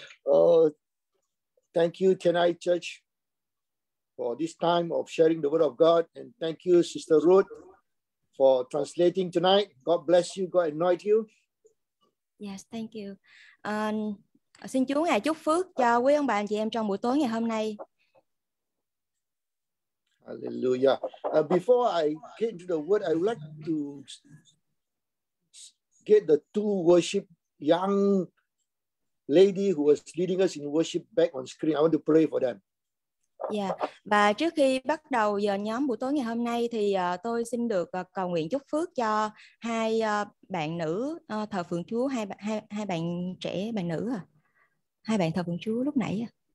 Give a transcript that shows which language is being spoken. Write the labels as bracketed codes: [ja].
[en] Oh, thank you, Thiên Ai Church, for this time of sharing the word of God. And thank you, Sister Ruth, for translating tonight. God bless you. God anoint you. Yes, thank you. [vi] Xin Chúa ngài chúc phước cho quý ông bà anh chị em trong buổi tối ngày hôm nay. [en] Hallelujah. Before I get into the word, I would like to get the two worship young lady who was leading us in worship back on screen. I want to pray for them. Yeah. [vi] Và trước khi bắt đầu giờ nhóm buổi tối ngày hôm nay thì tôi xin được cầu nguyện chúc phước cho hai bạn nữ thờ phượng Chúa, hai bạn trẻ bạn nữ à. Hai bạn thờ phượng Chúa lúc nãy.